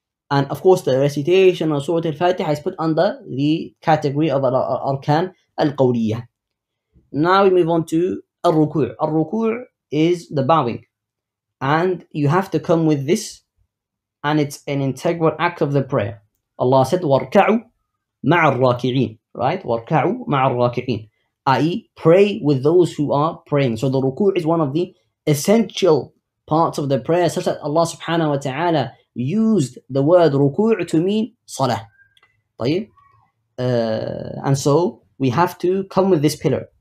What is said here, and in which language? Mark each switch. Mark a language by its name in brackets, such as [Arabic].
[English] And of course, the recitation of Surah Al-Fatiha is put under the category of Arkan Al-Qawliyah. Now we move on to الركوع. الركوع is the bowing. And you have to come with this, and it's an integral act of the prayer. Allah said, [Arabic] وَارْكَعُوا مَعَ الرَّاكِعِينَ. Right? وَارْكَعُوا مَعَ الرَّاكِعِينَ. I.e. [English] pray with those who are praying. So the ruku' is one of the essential parts of the prayer, such that Allah subhanahu wa ta'ala used the word ruku' to mean salah. [Arabic] طيب. [English] And so we have to come with this pillar.